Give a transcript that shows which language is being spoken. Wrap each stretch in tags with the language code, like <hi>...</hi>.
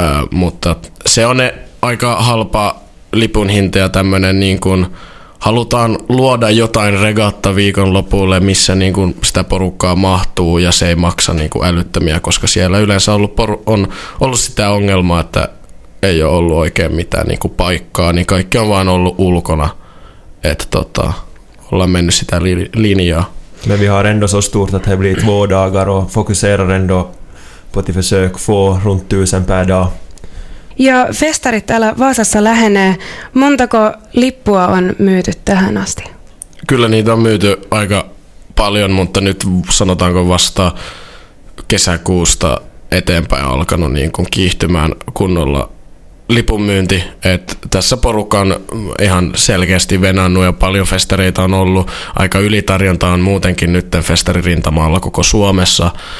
<fi>mutta se on aika halpa lipun hinta ja tämmöinen niin kuin halutaan luoda jotain regatta viikonlopulle, missä niin kuin sitä porukkaa mahtuu ja se ei maksa niin kuin älyttömiä, koska siellä yleensä on ollut sitä ongelmaa, että ei ole ollut oikein mitään niin kuin paikkaa, niin kaikki on vaan ollut ulkona, että ollaan mennyt sitä linjaa.</fi> <sv>Men vi har ändå så stort att det blir två dagar och fokuserar ändå på att försöka få runt 1000 per dag.</sv> <fi>Ja festarit täällä Vaasassa lähenee. Montako lippua on myyty tähän asti? Kyllä niitä on myyty aika paljon, mutta nyt sanotaanko vasta kesäkuusta eteenpäin alkanut niin kuin kiihtymään kunnolla lipunmyynti, että tässä porukka on ihan selkeästi venannut ja paljon festareita on ollut, aika ylitarjonta on muutenkin nytten festaririntamalla koko Suomessa,</fi>